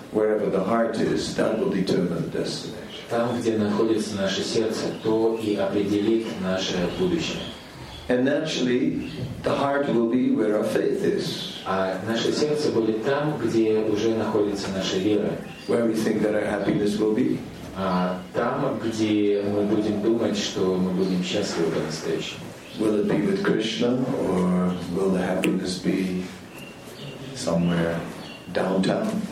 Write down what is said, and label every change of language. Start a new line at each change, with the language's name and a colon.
English: Wherever the heart is, that will determine the destination.
Russian: Там, где находится наше сердце, то и определит наше будущее.
English: And naturally, the heart will be where our faith is.
Russian: А наше сердце будет там, где уже находится наша вера.
English: Where we think that our happiness will be.
Russian: А там, где мы будем думать, что мы будем счастливы по-настоящему.
English: Will it be with Krishna, or will the happiness be somewhere downtown?